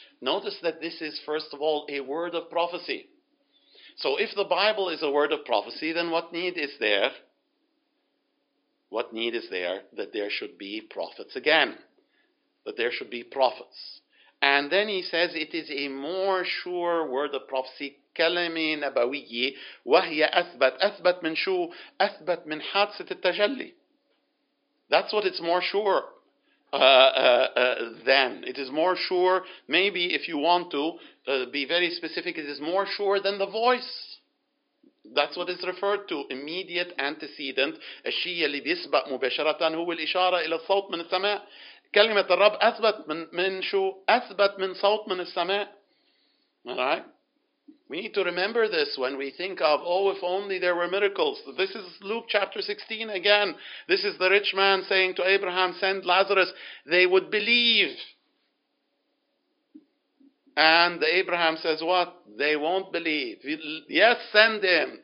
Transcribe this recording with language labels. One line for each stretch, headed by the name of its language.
English: Notice that this is, first of all, a word of prophecy. So if the Bible is a word of prophecy, then what need is there? What need is there that there should be prophets again? That there should be prophets. And then he says it is a more sure word of prophecy,
Arabic: كلمة نبوية وهي أثبت. أثبت من شو؟ أثبت من حادثة التجلي.
English: That's what it's more sure than. It is more sure, maybe if you want to be very specific, it is more sure than the voice. That's what is referred to, immediate antecedent.
Arabic: الشيء اللي بيسبق مباشرة هو الإشارة إلى الصوت من السماء. كلمة الرب أثبت من شو؟ أثبت من صوت من السماء.
English: All right? We need to remember this when we think of, oh, if only there were miracles. This is Luke chapter 16 again. This is the rich man saying to Abraham, send Lazarus. They would believe. And Abraham says what? They won't believe. Yes, send him.